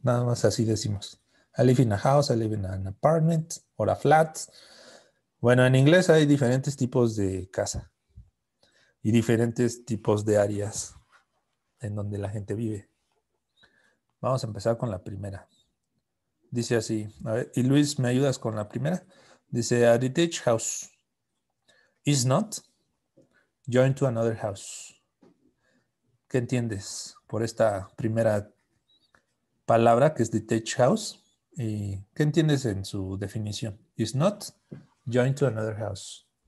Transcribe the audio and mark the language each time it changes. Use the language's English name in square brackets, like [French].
[Spanish] Nada más así decimos. [English] I live in a house, I live in an apartment, or a flat. [Spanish] Bueno, en inglés hay diferentes tipos de casa y diferentes tipos de áreas en donde la gente vive. Vamos a empezar con la primera. Dice así, a ver, y Luis, ¿me ayudas con la primera? [English] Dice, a detached house is not joined to another house. [Spanish] ¿Qué entiendes por esta primera palabra que es detached house? ¿Y qué entiendes en su definición? [English] Is not joined to another house.